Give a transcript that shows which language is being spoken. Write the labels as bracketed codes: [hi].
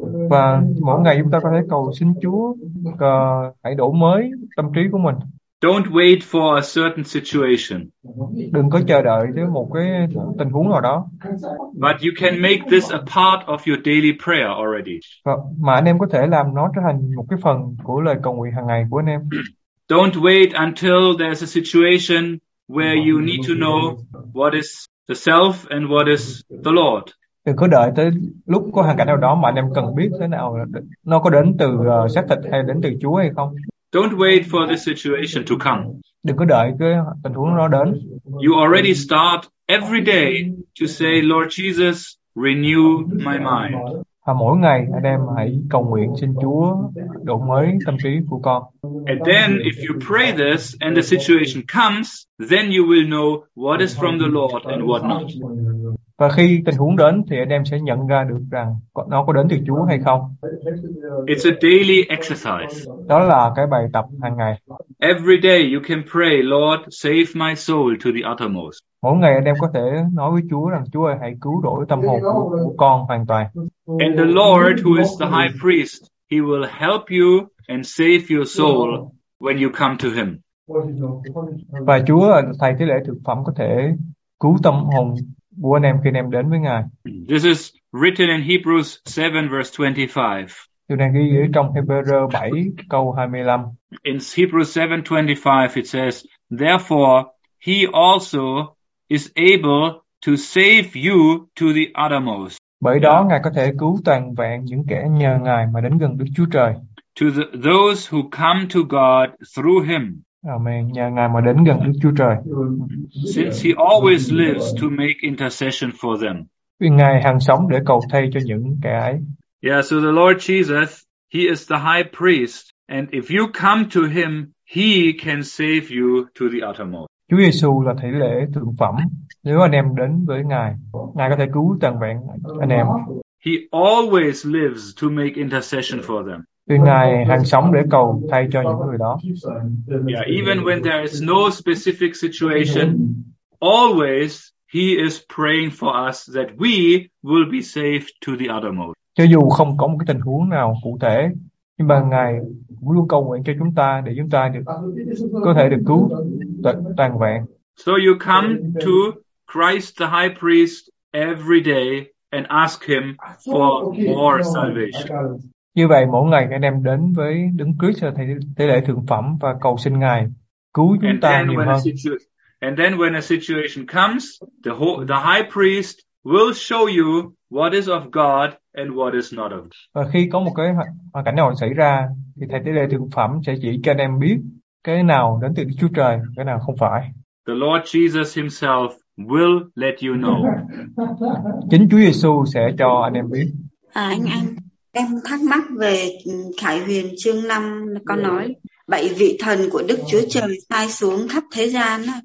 [vi] Và mỗi ngày chúng ta có thể cầu xin Chúa hãy đổ mới tâm trí của mình. [en] Don't wait for a certain situation. [vi] Đừng có chờ đợi tới một cái tình huống nào đó. [en] But you can make this a part of your daily prayer already. [vi] Mà anh em có thể làm nó trở thành một cái phần của lời cầu nguyện hàng ngày của anh em. [en] Don't wait until there's a situation where you need to know what is the self and what is the Lord. [vi] Đừng có đợi tới lúc có hoàn cảnh nào đó mà anh em cần biết thế nào, nó có đến từ xác thịt hay đến từ Chúa hay không. [en] Don't wait for the situation to come. [vi] Đừng có đợi cái tình huống nó đến. [en] You already start every day to say, Lord Jesus, renew my mind. [vi] Và mỗi ngày anh em hãy cầu nguyện xin Chúa đổ mới tâm trí của con. [en] And then if you pray this and the situation comes, then you will know what is from the Lord and what not. [vi] Và khi tình huống đến thì anh em sẽ nhận ra được rằng nó có đến từ Chúa hay không. [en] It's a daily exercise. [vi] Đó là cái bài tập hàng ngày. [en] Every day you can pray, Lord, save my soul to the uttermost. [vi] Mỗi ngày anh em có thể nói với Chúa rằng Chúa ơi hãy cứu rỗi tâm hồn của con hoàn toàn. [en] And the Lord who is the high priest, he will help you and save your soul when you come to him. [vi] Và Chúa thay thế lễ thực phẩm có thể cứu tâm hồn của anh em khi anh em đến với Ngài. [en] This is written in Hebrews 7 verse 25. [vi] Điều này ghi ở trong Hebrews 7 câu 25. [en] In Hebrews 7:25 it says, therefore he also is able to save you to the uttermost. [vi] Bởi đó Ngài có thể cứu toàn vẹn những kẻ nhờ Ngài mà đến gần Đức Chúa Trời. [en] To those who come to God through him. Amen. [vi] Nhờ Ngài mà đến gần Đức Chúa Trời. [en] Since he always lives to make intercession for them. [vi] Vì Ngài hằng sống để cầu thay cho những kẻ ấy. [en] Yeah, so the Lord Jesus, he is the high priest, and if you come to him, he can save you to the uttermost. [vi] Chúa Giêsu là thể lễ thượng phẩm. Nếu anh em đến với Ngài, Ngài có thể cứu toàn vẹn anh em. [en] He always lives to make intercession for them. [vi] Vì Ngài hằng sống để cầu thay cho những người đó. [en] Yeah, even when there is no specific situation, always he is praying for us that we will be saved to the uttermost. [vi] Cho dù không có một cái tình huống nào cụ thể, nhưng mà Ngài cũng luôn cầu nguyện cho chúng ta để chúng ta được có thể được cứu toàn vẹn. [en] So you come to Christ the High Priest every day and ask him for more salvation. [vi] Như vậy mỗi ngày anh em đến với đứng Christ là thầy tế lễ thượng phẩm và cầu xin Ngài cứu chúng ta nhiều hơn. [en] And then when a situation comes, the high priest will show you what is of God and what is not of God. [vi] Và khi có một cái hoàn cảnh nào xảy ra thì thầy tế lễ thượng phẩm sẽ chỉ cho anh em biết cái nào đến từ Đức Chúa Trời, cái nào không phải. [en] The Lord Jesus himself will let you know. [vi] Chính Chúa Giêsu sẽ cho anh em biết. À, anh ăn. Em thắc mắc về Khải Huyền chương 5 có nói bảy vị thần của Đức Chúa Trời sai xuống khắp thế gian.